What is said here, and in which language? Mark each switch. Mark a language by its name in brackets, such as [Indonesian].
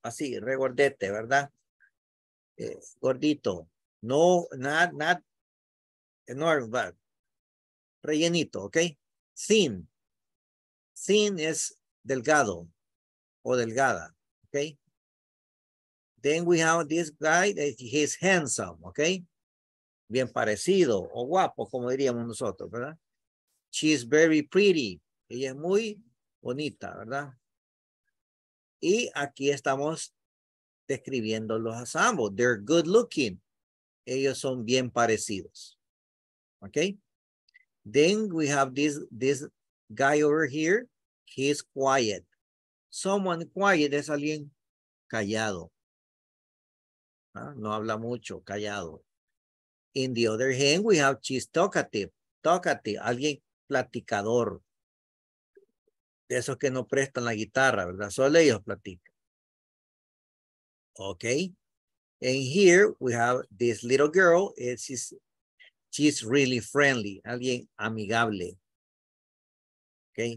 [Spanish] Así, regordete, ¿verdad? Gordito, no, [English] not enormous, but [Spanish] rellenito, okay? [English] Thin is [Spanish] delgado, o delgada. Okay. [English] Then we have this guy that he's handsome. Okay. [Spanish] Bien parecido o guapo, como diríamos nosotros, ¿verdad? [English] She's very pretty. [Spanish] Ella es muy bonita, ¿verdad? Y aquí estamos describiéndolos a ambos. [English] They're good looking. [Spanish] Ellos son bien parecidos. Okay. [English] Then we have this guy over here. He's quiet. Someone quiet [Spanish] es alguien callado. No habla mucho, callado. [English] In the other hand, we have she's talkative. Talkative, [Spanish] alguien platicador. De esos que no prestan la guitarra, ¿verdad? Solo ellos platican. Okay. [English] And here we have this little girl. She's really friendly. [Spanish] Alguien amigable. Okay.